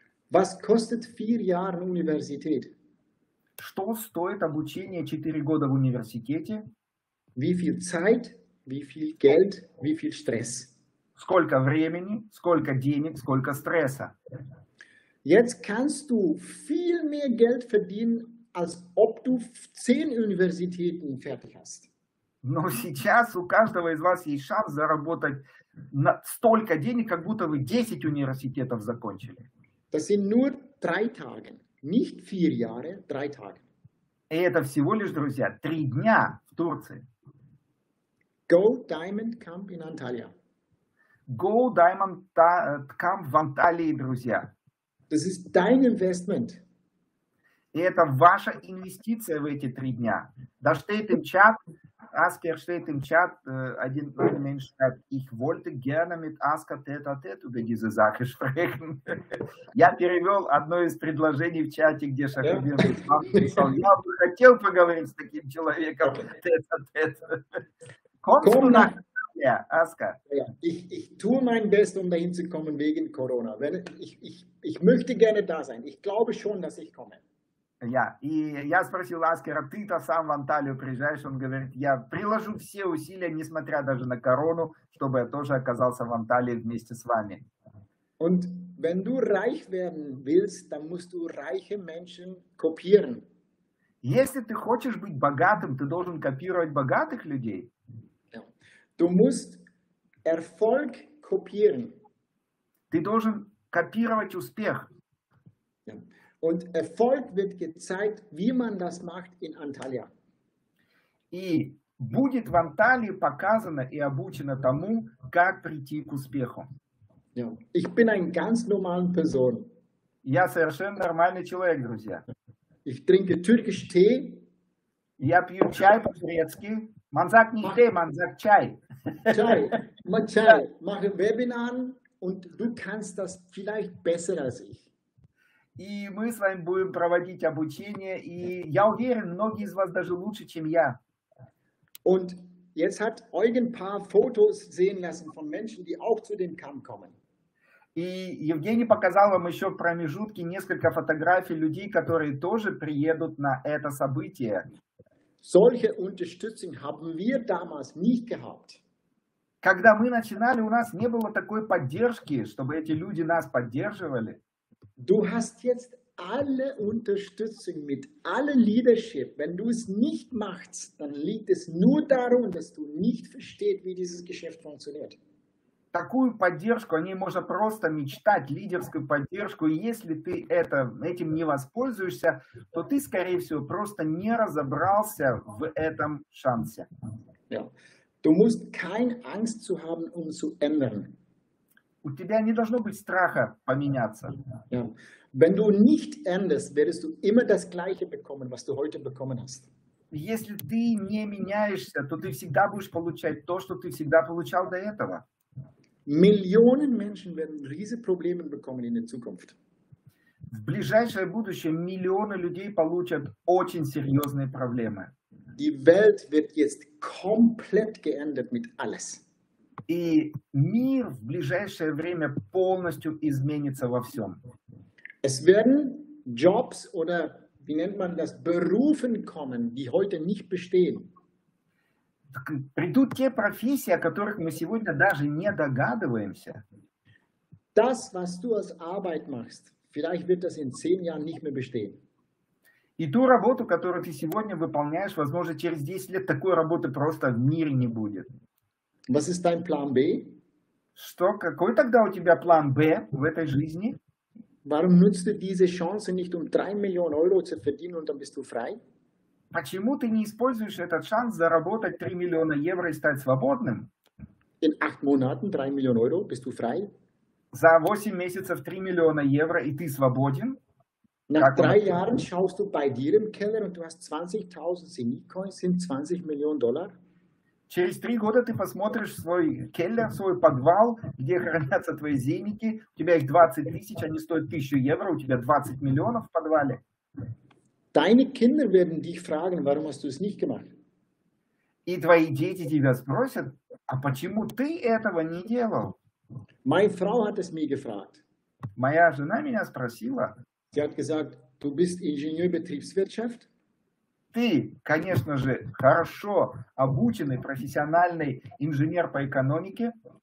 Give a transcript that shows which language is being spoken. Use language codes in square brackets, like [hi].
[de] Was kostet 4 Jahre Universität? [ru] Что стоит обучение 4 года в университете? [de] Wie viel Zeit, wie viel Geld, wie viel Stress? [ru] Сколько времени, сколько денег, сколько стресса? [de] Jetzt kannst du viel mehr Geld verdienen, als ob du 10 Universitäten fertig hast. [ru] Но сейчас у каждого из вас есть шанс заработать на столько денег, как будто вы 10 университетов закончили. [de] Das sind nur 3 Tage, nicht 4 Jahre, 3 Tage. [ru] И это всего лишь, друзья, 3 дня в Турции. [de] Gold Diamond Camp in Antalya. [ru] Gold Diamond Camp в Анталии, друзья. [de] Das ist dein Investment. [ru] И это ваша инвестиция в эти 3 дня. Да [de] steht im Chat, Asker steht im Chat, [ru] один [de] Mensch sagt, ich wollte gerne mit Asker tete-a-tete über diese Sache sprechen. [ru] Я перевел одно из предложений в чате, где Шахабир написал, я бы хотел поговорить с таким человеком tete-a-tete. [de] Kommst du nach Antalya, Asker? Ich tue mein Bestes, um dahin zu kommen wegen Corona. Ich möchte gerne da sein. Ich glaube schon, dass ich komme. [ru] Я. И я спросил Аскера, ты-то сам в Анталию приезжаешь? Он говорит, я приложу все усилия, несмотря даже на корону, чтобы я тоже оказался в Анталии вместе с вами. [de] Und wenn du reich werden willst, dann musst du reiche Menschen kopieren. [ru] Если ты хочешь быть богатым, ты должен копировать богатых людей. [de] Du musst Erfolg kopieren. [ru] Ты должен копировать успех. [de] Und Erfolg wird gezeigt, wie man das macht in Antalya. [ru] И будет в Анталии показано и обучено тому, как прийти к успеху. [de] Ich bin ein ganz normaler Person. [ru] Я совершенно нормальный человек, друзья. [de] Ich trinke türkisch Tee. [ru] Я пью чай по-турецки. [de] Man sagt nicht Tee, man sagt Chai. Chai, man Chai. Mache Webinar und du kannst das vielleicht besser als ich. [ru] И мы с вами будем проводить обучение, и я уверен, многие из вас даже лучше, чем я. [de] Und jetzt hat Eugen paar Fotos sehen lassen von Menschen, die auch zu dem Camp kommen. [ru] И Евгений показал вам еще в промежутке несколько фотографий людей, которые тоже приедут на это событие. [de] Solche Unterstützung haben wir damals nicht gehabt. [ru] Когда мы начинали, у нас не было такой поддержки, чтобы эти люди нас поддерживали. [de] Du hast jetzt alle Unterstützung mit allem Leadership. Wenn du es nicht machst, dann liegt es nur darum, dass du nicht verstehst, wie dieses Geschäft funktioniert. [ru] Такую поддержку, о ней можно просто мечтать, лидерскую поддержку, и если ты этим не воспользуешься, то ты, скорее всего, просто не разобрался в этом шансе. [de] Du musst keine Angst zu haben, um zu ändern. [ru] У тебя не должно быть страха поменяться. [de] Wenn du nicht änderst, wirst du immer das Gleiche bekommen, was du heute bekommen hast. [ru] Если ты не меняешься, то ты всегда будешь получать то, что ты всегда получал до этого. [de] Millionen Menschen werden riesige Probleme bekommen in der Zukunft. [ru] В ближайшее будущее миллионы людей получат очень серьезные проблемы. [de] Die Welt wird jetzt komplett geändert mit alles. [ru] И мир в ближайшее время полностью изменится во всем. [de] Es werden Jobs oder wie nennt man das, Berufen kommen, die heute nicht bestehen. [ru] Придут те профессии, о которых мы сегодня даже не догадываемся. [de] Das, was du als Arbeit machst, vielleicht wird das in 10 Jahren nicht mehr bestehen. [ru] И ту работу, которую ты сегодня выполняешь, возможно, через 10 лет такой работы просто в мире не будет. [de] Was ist dein Plan B? [ru] Что, какой тогда у тебя план Б в этой жизни? [de] Warum nutzt du diese Chance nicht, um 3 Millionen Euro zu verdienen und dann bist du frei? [ru] Почему ты не используешь этот шанс заработать 3 миллиона евро и стать свободным? [de] In 8 Monaten 3 Millionen Euro, bist du frei? [ru] За 8 месяцев 3 миллиона евро и ты свободен? [de] Nach 3 Jahren schaust du bei dir im Keller und du hast 20.000 Zenitcoins, sind 20 Millionen Dollar. [ru] Через 3 года ты посмотришь свой келлер, свой подвал, где хранятся твои зеники, у тебя их 20 тысяч, они стоят 1000 евро, у тебя 20 миллионов в подвале. [de] Deine Kinder werden dich fragen, warum hast du es nicht gemacht? [ru] И твои дети тебя спросят, а почему ты этого не делал? [de] Meine Frau hat es mir gefragt. [ru] Моя жена меня спросила. [de] Sie hat gesagt, du bist Ingenieur Betriebswirtschaft. [ru] Ты, конечно же, хорошо обученный профессиональный инженер по экономике.